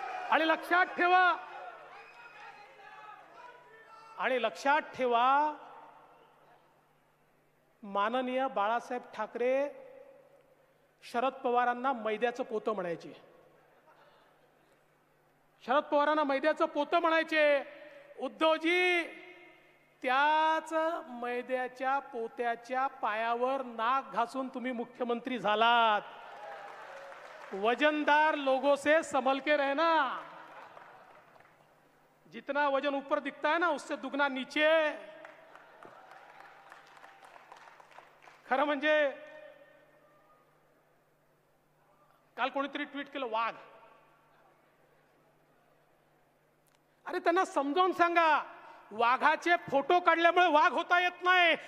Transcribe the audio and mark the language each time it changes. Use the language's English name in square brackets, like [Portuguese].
[Marathi] आणि लक्षात ठेवा, आणि लक्षात ठेवा, माननीय बाळासाहेब ठाकरे शरद पवारांना मैद्याचं पोतं म्हणायचे. शरद पवारांना मैद्याचं पोतं म्हणायचे. उद्धवजी त्याच मैद्याच्या पोत्याच्या पायावर नाक घासून तुम्ही मुख्यमंत्री झालात. [Hindi] वजनदार लोगों से संभल के रहना, जितना वजन ऊपर दिखता है ना उससे दुगना नीचे. [Marathi] खरं म्हणजे काल कोणीतरी ट्विट केलं वाघ, अरे त्यांना समजावून सांगा वाघाचे फोटो काढल्यामुळे वाघ होता येत नाही.